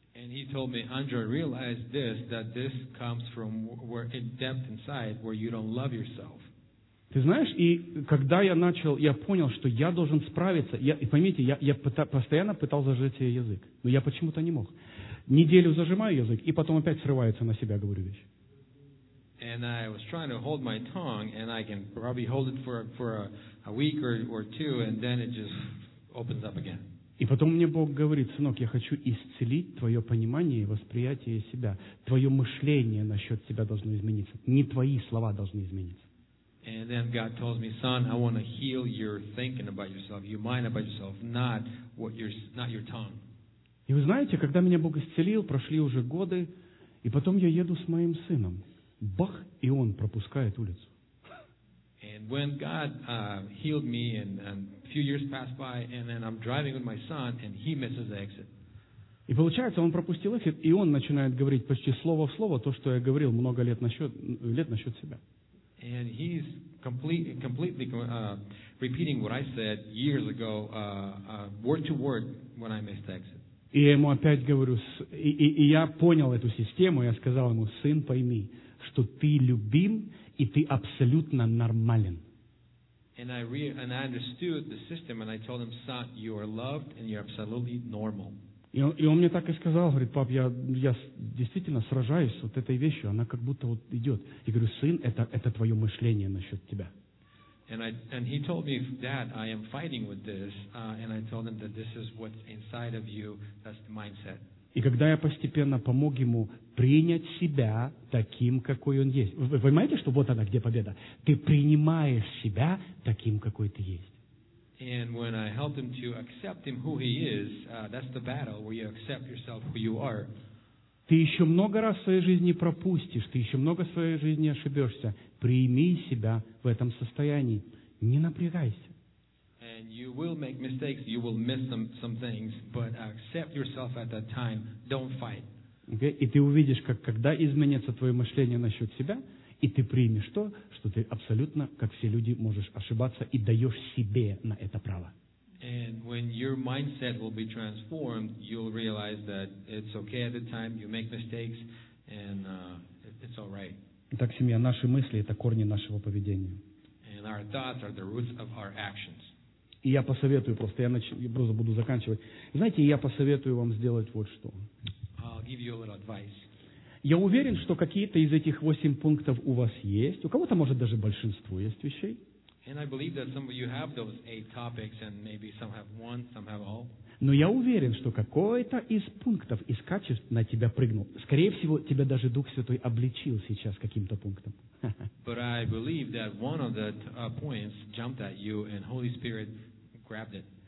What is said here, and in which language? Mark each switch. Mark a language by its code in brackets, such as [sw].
[en] And he told me, Andrew, realize this, that this comes from where in depth inside, where you don't love yourself. [ru] Ты знаешь, и когда я начал, я понял, что я должен справиться. Я постоянно пытался зажать себе язык, но я почему-то не мог. Неделю зажимаю язык, и потом опять срывается на себя, говорю вещь. [en] And I was trying to hold my tongue, and I can probably hold it for a week or two, and then it just opens up again. [ru] И потом мне Бог говорит, сынок, я хочу исцелить твое понимание и восприятие себя. Твое мышление насчет себя должно измениться. Не твои слова должны измениться. [en] And then God tells me, son, I want to heal your thinking about yourself, your mind about yourself, not your tongue. [ru] И вы знаете, когда меня Бог исцелил, прошли уже годы, и потом я еду с моим сыном. Бах, и он пропускает улицу. [en] And when God healed me, and a few years passed by, and then I'm driving with my son, and he misses the exit. [ru] И получается, он пропустил exit, и он начинает говорить почти слово в слово то, что я говорил много лет насчет себя. [en] And he's completely repeating what I said years ago, word to word, when I missed exit. [ru] И ему опять говорю, и я понял эту систему, я сказал ему, сын, пойми, что ты любим, и ты абсолютно нормален. [en] And I understood the system, and I told him, son, you are loved, and you're absolutely normal. [ru] И он мне так и сказал, говорит, пап, я действительно сражаюсь с вот этой вещью, она как будто вот идет. Я говорю, сын, это твое мышление насчет тебя. [en] And he told me, Dad, I am fighting with this. And I told him that this is what's inside of you. That's the mindset. [ru] И когда я постепенно помог ему принять себя таким, какой он есть. Вы понимаете, что вот она, где победа? Ты принимаешь себя таким, какой ты есть. [en] And when I helped him to accept him who he is, that's the battle where you accept yourself who you are. [ru] Ты еще много раз в своей жизни пропустишь, ты еще много в своей жизни ошибешься. Прими себя в этом состоянии. Не напрягайся. [en] And you will make mistakes, you will miss some things, but accept yourself at that time. Don't fight. Okay? [ru] И ты увидишь, как когда изменится твое мышление насчет себя, и ты примешь то, что ты абсолютно, как все люди, можешь ошибаться и даешь себе на это право. [en] And when your mindset will be transformed, you'll realize that it's okay at the time, you make mistakes, and it's all right. [ru] Итак, семья, наши мысли – это корни нашего поведения. [en] And our thoughts are the roots of our actions. [ru] И я посоветую просто, я просто буду заканчивать. Знаете, я посоветую вам сделать вот что. [en] I'll give you a little advice. [ru] Я уверен, что какие-то из этих 8 пунктов у вас есть. У кого-то, может, даже большинство есть вещей. [en] And I believe that some of you have those 8 topics, and maybe some have one, some have all. [ru] Но я уверен, что какой-то из пунктов, из качеств на тебя прыгнул. Скорее всего, тебя даже Дух Святой обличил сейчас каким-то пунктом. [en] But I believe that one of the points jumped at you, and Holy Spirit grabbed it.